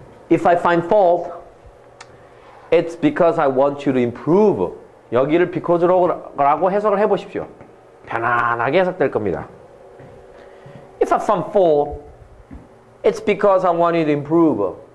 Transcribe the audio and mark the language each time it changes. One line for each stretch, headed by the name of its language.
English: If I find fault, it's because I want you to improve.
Korean: 여기를 because라고 해석을 해보십시오. 편안하게 해석될 겁니다.
English: If I find fault, it's because I want you to improve.